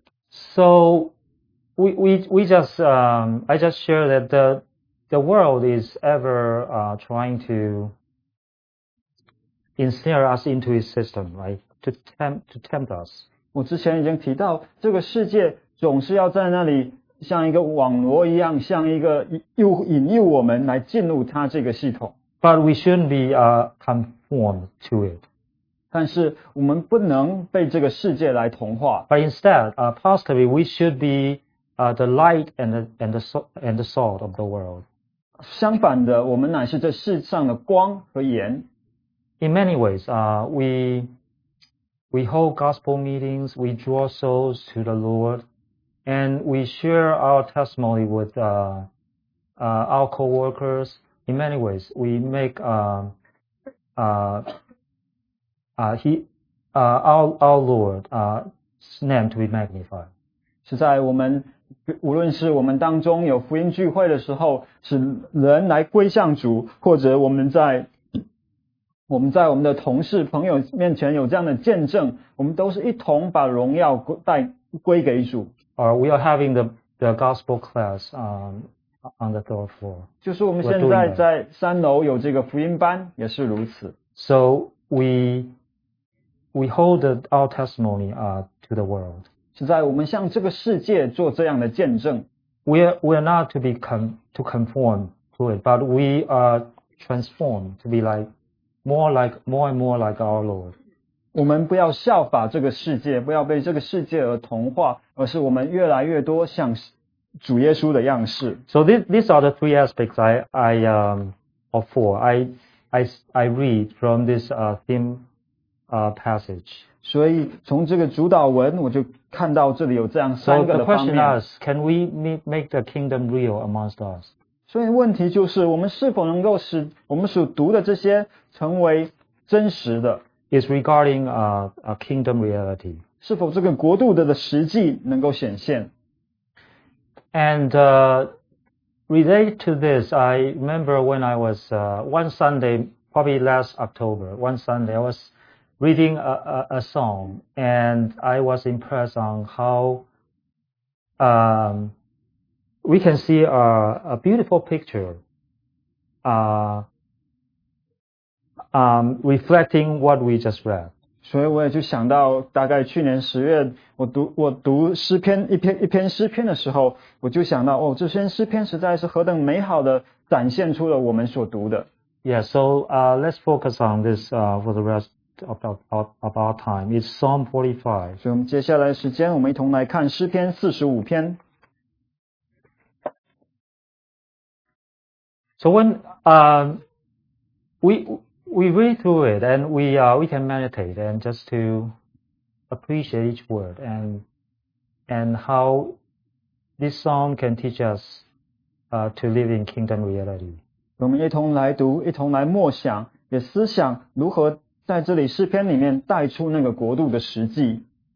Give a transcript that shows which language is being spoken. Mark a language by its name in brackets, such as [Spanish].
[English] So, I just share that the world is ever trying to ensnare us into his system, right? To tempt us. [Chinese] 我之前已经提到，这个世界总是要在那里像一个网罗一样，像一个引诱我们来进入他这个系统。 [English] But we shouldn't be conformed to it. [Chinese] 但是我们不能被这个世界来同化。 [English] But instead, positively, we should be the light and the salt of the world. [Chinese] 相反的，我们乃是这世上的光和盐。 [English] In many ways, we We hold gospel meetings, we draw souls to the Lord, and we share our testimony with our co-workers. In many ways, we make our Lord's name to be magnified. [Chinese] 是在我们无论是我们当中有福音聚会的时候，使人来归向主，或者我们在我们的同事朋友面前有这样的见证，我们都是一同把荣耀归给主。 [English] Or we are having the gospel class on the third floor. [Chinese] 就是我们现在在三楼有这个福音班，也是如此。 [English] So we hold our testimony to the world. [Chinese] 是在我们向这个世界做这样的见证。 [English] We are not to be conform to it, but we are transformed to be more and more like our Lord. [Chinese] 我们不要效法这个世界，不要被这个世界而同化，而是我们越来越多像主耶稣的样式。 [English] So these are the three aspects I read from this theme passage. [Chinese] 所以从这个主导文，我就看到这里有这样三个的方面。 [English] So the question is, can we make the kingdom real amongst us? [Chinese] 所以问题就是，我们是否能够使我们所读的这些成为真实的？ [English] Is regarding a kingdom reality. [Chinese] 是否这个国度的实际能够显现？ [English] And related to this, I remember when I was one Sunday, probably last October, one Sunday, I was reading a song, and I was impressed on how we can see a beautiful picture reflecting what we just read. [Chinese] 所以我也就想到大概去年十月我读诗篇一篇诗篇的时候，我就想到这篇诗篇实在是何等美好的展现出了我们所读的。 [English] Yeah, so let's focus on this for the rest of our time. It's Psalm 45. [Chinese] 所以我们接下来时间我们一同来看诗篇45篇。 [English] So when we read through it and we can meditate and just to appreciate each word and how this song can teach us to live in kingdom reality. [Chinese] 我们一同来读，一同来默想，也思想如何在这里诗篇里面带出那个国度的实际。